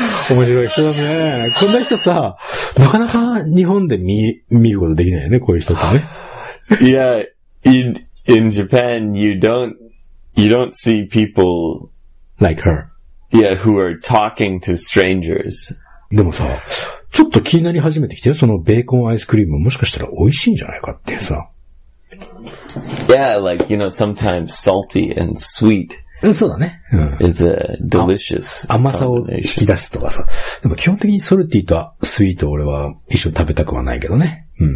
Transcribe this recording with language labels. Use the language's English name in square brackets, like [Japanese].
[Japanese] 面白い人だね。こんな人さ、なかなか日本で見ることできないよね、こういう人ってね。 [English] Yeah, in Japan, you don't see people like her. Yeah, who are talking to strangers. [Japanese] でもさ、ちょっと気になり始めてきてよ、そのベーコンアイスクリームもしかしたら美味しいんじゃないかってさ。 [English] Yeah, like, you know, sometimes salty and sweet. [Japanese] そうだね。うん。 [English] is a delicious [Japanese] 甘さを引き出すとかさ。でも基本的にソルティとスイート俺は一緒に食べたくはないけどね。